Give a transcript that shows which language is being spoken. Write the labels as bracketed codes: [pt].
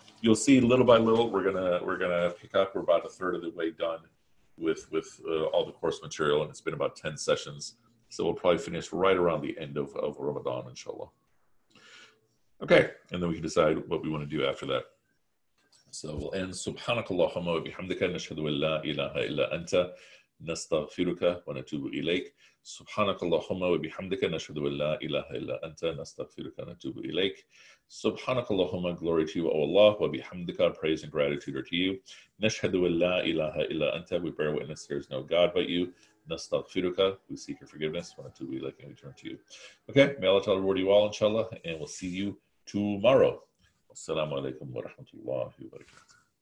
[en] You'll see little by little, we're gonna pick up. We're about a third of the way done with all the course material, and it's been about 10 sessions. So we'll probably finish right around the end of Ramadan, inshallah. Okay, and then we can decide what we want to do after that. So we'll end. [ar] سبحانك اللهم وبحمدك نشهد أن لا إله إلا أنت نستغفرك ونتوب إليك سبحانك اللهم وبحمدك نشهد أن لا إله إلا أنت نستغفرك ونتوب إليك سبحانك اللهم [en] glory to you O Allah [ar] وبحمدك [en] praise and gratitude are to you [ar] نشهد أن لا إله إلا أنت [en] we bear witness there is no God but you [ar] نستغفرك [en] we seek your forgiveness [ar] ونتوب إليك [en] and we turn to you. Okay, may Allah Ta'ala reward you all inshallah, and we'll see you tomorrow. [ar] السلام عليكم ورحمة الله وبركاته.